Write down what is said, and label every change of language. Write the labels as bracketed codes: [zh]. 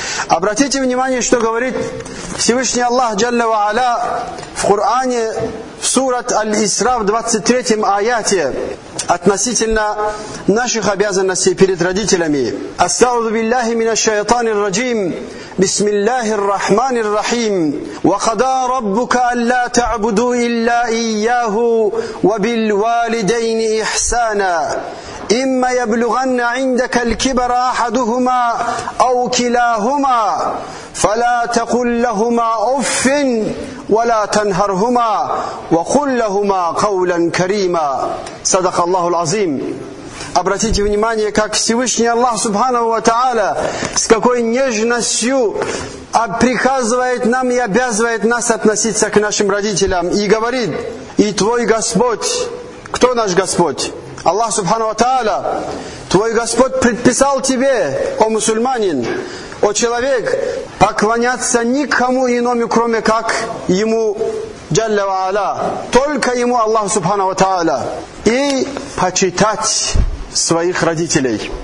[ru] Обратите внимание, что говорит Всевышний Аллах Джалла Ва Аля в Коране, в Сурат Аль-Исра, в 23-м аяте, относительно наших обязанностей перед родителями. [ar] «Астауду биллахи минаш шайтанир раджим, бисмиллахир рахманир рахим, вахада раббука алла та'буду илля ияху, вабил валидейни ихсана». إما يبلغن عندك الكبر أحدهما أو كلاهما فلا تقل لهما أف ولا تنهرهما وقل لهما قولا كريما. صدق الله العظيم. [ru] Обратите внимание, как Всевышний Аллах Субханаху ва Тааля с какой нежностью приказывает нам и обязывает нас относиться к нашим родителям и говорит: «И твой Господь». Кто наш Господь? Аллах Субхану Ва Тааля, твой Господь предписал тебе, о мусульманин, о человек, поклоняться никому иному, кроме как ему, Джалля Ва Аля, только ему, Аллах Субхану Ва Тааля, и почитать своих родителей.